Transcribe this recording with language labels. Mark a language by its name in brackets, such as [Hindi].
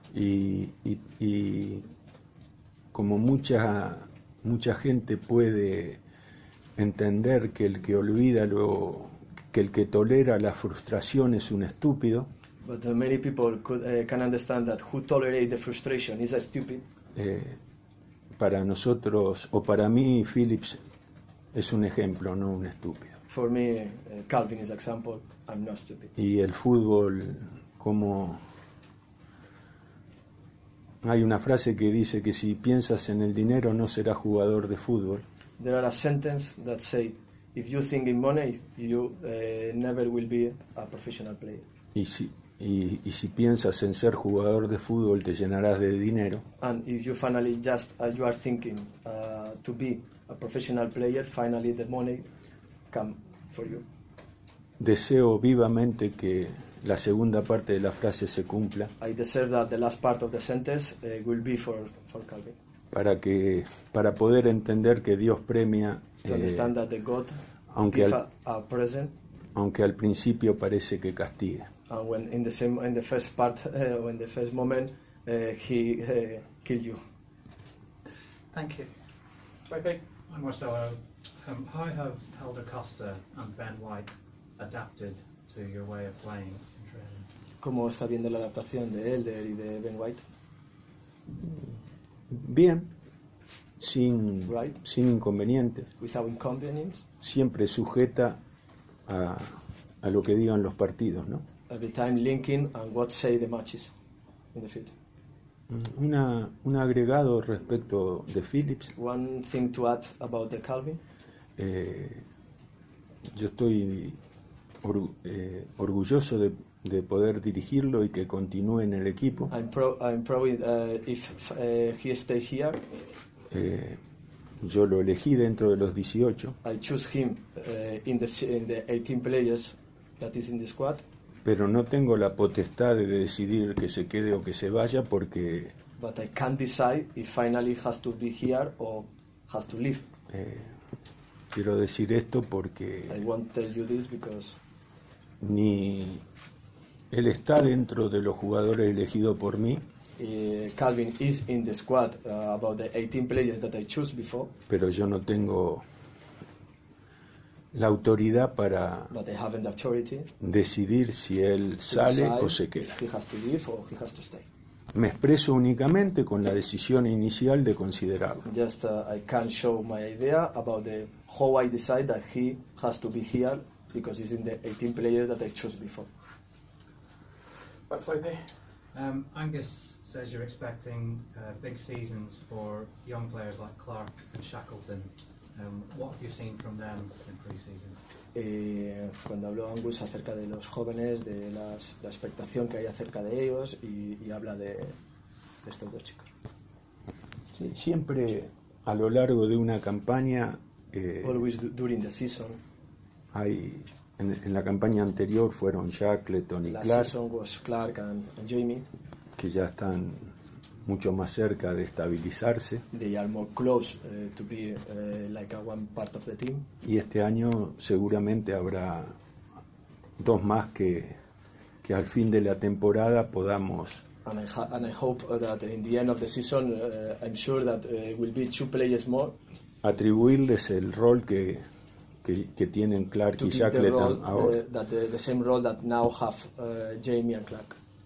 [Spanish] Y como mucha gente puede entender que el que olvida lo que el que tolera la frustración es un estúpido. [English] But many people can understand that who tolerate the frustration is a stupid. [Spanish] Para nosotros o para mí, Phillips es un ejemplo, no un estúpido. [English] For me, Calvin is an example. I'm not stupid. [Spanish] Y el fútbol, como hay una frase que dice que si piensas en el dinero no serás jugador de fútbol. [English] There are a sentence that say, if you think in money, you never will be a professional player. [Spanish] Y si piensas en ser jugador de fútbol te llenarás de dinero. [English] And if you finally just you are thinking to be a professional player, finally the money come for you. [Spanish] Deseo vivamente que la segunda parte de la frase se cumpla. [English] I deserve that the last part of the sentence will be for Calvin. [Spanish] Para poder entender que Dios premia. [English] To understand that the God [Spanish] aunque [English] give [Spanish] al, [English] a present. [Spanish] Aunque al principio parece que castigue. [English] And when in the first moment he kill you. Thank you. Bye-bye. Hi Marcelo. How have Helder Costa and Ben White adapted to your way of playing and training? [Spanish] ¿Cómo está viendo la adaptación de Helder y de Ben White? Bien. [English] Right. [Spanish] Sin inconvenientes. [English] Without inconvenience. [Spanish] Siempre sujeta a lo que digan los partidos, ¿no? [English] Every time linking and what say the matches in the field. [Spanish] Un agregado respecto de Phillips. [English] One thing to add about the Calvin. [Spanish] Yo estoy orgulloso de poder dirigirlo y que continúe en el equipo. [English] I'm probably if he stay here. [Spanish] Yo lo elegí dentro de los 18. [English] I choose him in the 18 players that is in the squad. [Spanish] Pero no tengo la potestad de decidir que se quede o que se vaya porque [English] but I can't decide if finally has to be here or has to leave. [Spanish] Quiero decir esto porque [English] I won't tell you this because [Spanish] ni él está dentro de los jugadores elegidos por mí. [English] Calvin is in the squad about the 18 players that I chose before. [Spanish] Pero yo no tengo la autoridad para [English] but I haven't the authority [Spanish] decidir si él sale o se queda. [English] He has to leave or he has to stay. [Spanish] Me expreso únicamente con la decisión inicial de considerarlo. [English] Just I can show my idea about the how I decide that he has to be here because he's in the 18 players that I chose before. That's why they. Angus says you're expecting big seasons for young players like Clark and Shackleton. What have you seen from them in pre-season? [Spanish] Cuando habló Angus acerca de los jóvenes, de las, la expectación que hay acerca de ellos y habla de estos dos chicos. Sí, siempre a lo largo de una campaña [English] always during the season [Spanish] hay, en la campaña anterior fueron Shackleton y la Clark, [English] season was Clark and Jamie, [Spanish] que ya están mucho más cerca de estabilizarse. [English] They are more close to be like a one part of the team. [Spanish] Y este año seguramente habrá dos más que al fin de la temporada podamos. [English] And I hope that in the end of the season, I'm sure that will be two players more. [Spanish] Atribuirles el rol que tienen Clark y Shackleton ahora. [English] The same role that now have Jamie and Clark.